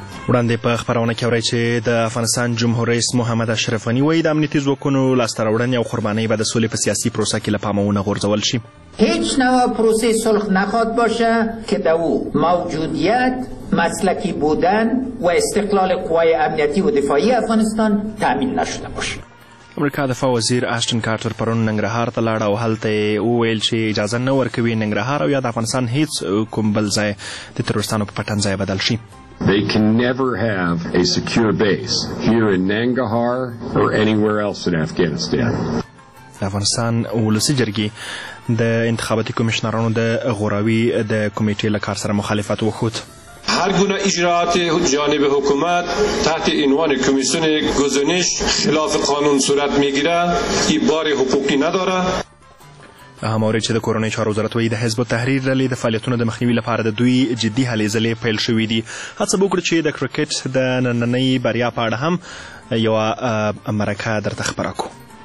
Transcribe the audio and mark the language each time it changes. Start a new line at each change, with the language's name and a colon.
Pashto: وړاندې په خبرونه کې اورئ چې د افغانستان جمهور رئیس محمد اشرف غنی وایي د امنیتي ځواکونو لاسته راوړنې او قربانۍ به د سولې په سیاسي پروسه کې له پامه ونه غورځول شي.
Persian: هیچ نوع پروسه صلح نخواهد باشه که در او موجودیت، مسلکی بودن و استقلال قوای امنیتی و دفاعی افغانستان تأمین نشده باشه.
Pashto: امریکا دفاع وزیر اشتن کارتر پرون ننګرهار ته لاړه او هلته او ویل چې اجازه نه ورکوي ننګرهار او یا د افغانستان هیڅ کوم بل ځای د تروریستانو په پټن ځای بدل شي.
English: They can never have a secure base here in Nangarhar or anywhere else in Afghanistan.
Pashto: افغانستان ولسی جرګی د انتخاباتي کمشنرانو د غوراوی د کمیټې له کار سره مخالفت وکړ.
Persian: هر گونه اجراءات جانب حکومت تحت عنوان کمیسیون گزینش خلاف قانون صورت میگیره که بار حقوقی نداره.
Pashto: هماره چې د کورونې چار وزارت وایي د حزب تحریر لی د فعالیتونو د مخنیوي لپاره د دوی جدي هلې ځلې پیل شوې دي. هڅه به وکړو چې د کرکټ د نننۍ بریا په اړه هم یوه مرکه درته خبره کړو.